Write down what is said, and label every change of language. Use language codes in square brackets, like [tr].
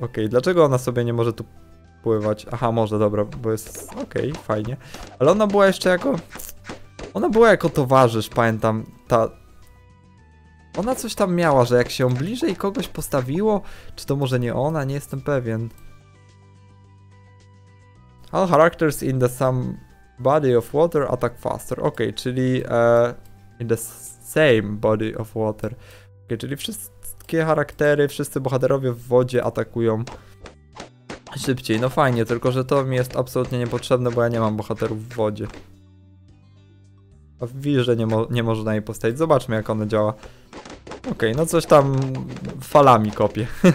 [pl] Okej, dlaczego ona sobie nie może tu pływać? Aha, może, dobra, bo jest, okej, fajnie. Ale ona była jeszcze jako, towarzysz, pamiętam, ta... Ona coś tam miała, że jak się bliżej kogoś postawiło, czy to może nie ona, nie jestem pewien. [en] All characters in the same body of water attack faster. [pl] Okej, czyli [en] in the same body of water. [pl] Okej, czyli wszystkie charaktery, wszyscy bohaterowie w wodzie atakują szybciej. No fajnie, tylko że to mi jest absolutnie niepotrzebne, bo ja nie mam bohaterów w wodzie. A w wirze nie można jej postawić. Zobaczmy, jak ona działa. Okej, no coś tam falami kopię.